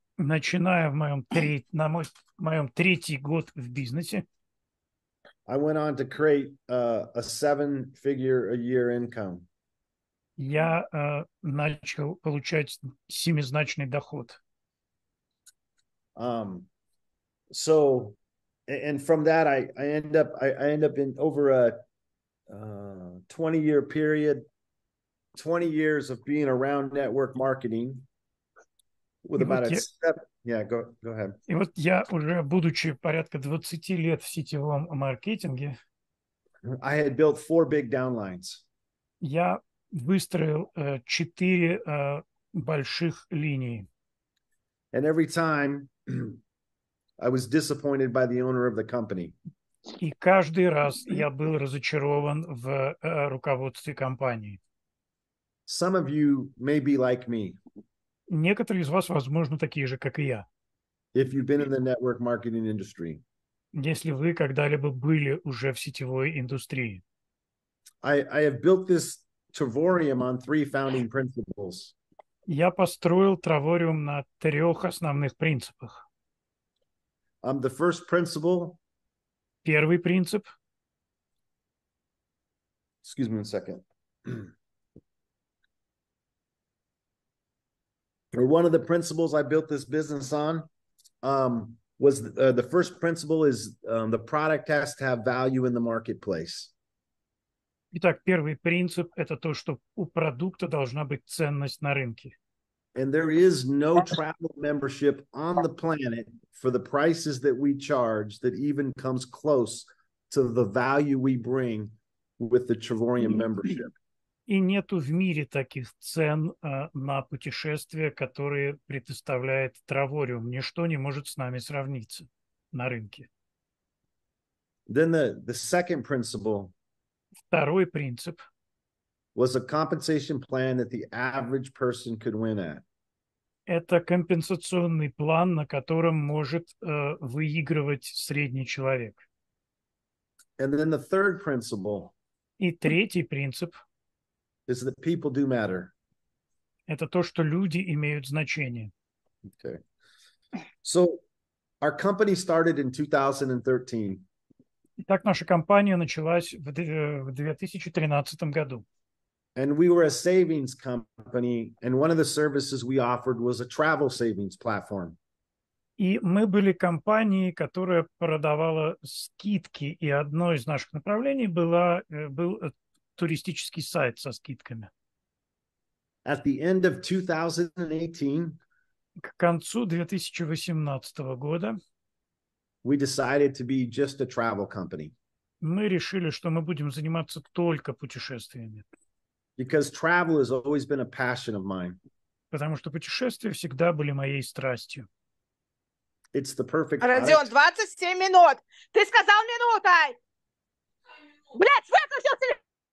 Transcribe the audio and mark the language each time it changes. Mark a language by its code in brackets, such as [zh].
[ru] Начиная в моем третий год в бизнесе. [en] I went on to create a 7-figure-a-year income. [ru] Я начал получать 7-значный доход. [en] So, and from that, I end up in over a 20-year period, 20 years of being around network marketing with go ahead. [ru] И вот я уже, будучи порядка 20 лет в сетевом маркетинге, [en] I had built 4 big downlines. [ru] Я выстроил 4 больших линии. [en] And every time I was disappointed by the owner of the company. [ru] И каждый раз я был разочарован в руководстве компании. [en] Some of you may be like me. [ru] Некоторые из вас, возможно, такие же, как и я. [en] If you've been in the network marketing industry. [ru] Если вы когда-либо были уже в сетевой индустрии. [en] I have built this Travorium on 3 founding principles. [ru] Я построил Travorium на 3 основных принципах. [en] The first principle. [ru] Первый принцип. [en] Excuse me a second. Or one of the principles I built this business on was the first principle is the product has to have value in the marketplace. [ru] Итак, первый принцип – это то, что у продукта должна быть ценность на рынке. And there is no travel membership on the planet for the prices that we charge that even comes close to the value we bring with the Travorium membership. И нету в мире таких цен на путешествия, которые предоставляет Travorium. Ничто не может с нами сравниться на рынке. [en] Then the second principle. [ru] Второй принцип. [en] Was a compensation plan that the average person could win at. [ru] Это компенсационный план, на котором может выигрывать средний человек. [en] And then the third principle. [ru] И третий принцип. [en] Is that people do matter. [ru] Это то, что люди имеют значение. [en] Okay. So our company started in 2013. [ru] Итак, наша компания началась в 2013 году. [en] And we were a savings company, and one of the services we offered was a travel savings platform. [ru] И мы были компанией, которая продавала скидки, и одно из наших направлений был туристический сайт со скидками. [en] At the end of 2018, [ru] к концу 2018 года, [en] we decided to be just a travel company. [ru] Мы решили, что мы будем заниматься только путешествиями. [en] Because travel has always been a passion of mine. [ru] Потому что путешествия всегда были моей страстью. [en] It's the perfect. [ru] Родион, 27 минут. Ты сказал минутой. Блядь, выключил телефон.